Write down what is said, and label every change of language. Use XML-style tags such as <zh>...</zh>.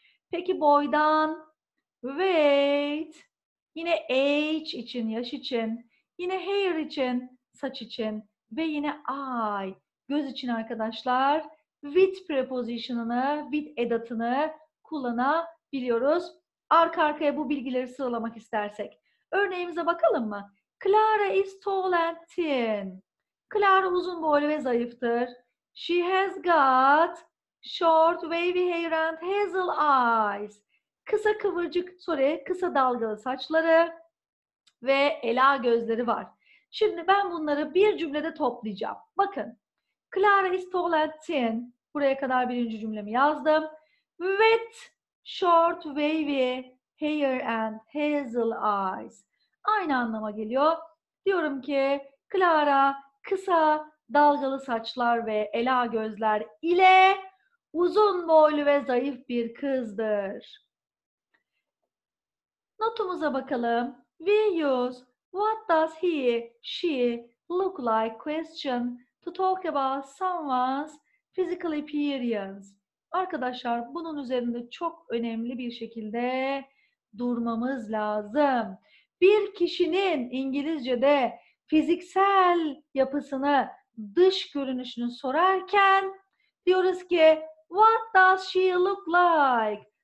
<tr>Peki boydan, weight, yine age için, yaş için, yine hair için, saç için ve yine eye, göz için arkadaşlar with preposition'ını, with edatını kullanabiliyoruz. Arka arkaya bu bilgileri sıralamak istersek. Örneğimize bakalım mı?</tr> <en>Clara is tall and thin.</en> <tr>Clara uzun boylu ve zayıftır.</tr> <en>She has got short wavy hair and hazel eyes.</en> <tr>Kısa kıvırcık, sorry, kısa dalgalı saçları ve ela gözleri var. Şimdi ben bunları bir cümlede toplayacağım. Bakın.</tr> <en>Clara is tall and thin.</en> <tr>Buraya kadar birinci cümlemi yazdım.</tr> <en>With short wavy hair and hazel eyes.</en> <tr>Aynı anlama geliyor. Diyorum ki Clara kısa dalgalı saçlar ve ela gözler ile uzun boylu ve zayıf bir kızdır. Notumuza bakalım.</tr> <en>We use what does he, she look like question to talk about someone's physical appearance.</en> <tr>Arkadaşlar bunun üzerinde çok önemli bir şekilde durmamız lazım. Bir kişinin İngilizce'de fiziksel yapısını, dış görünüşünü sorarken diyoruz ki</tr> <en>what does she look like?</en>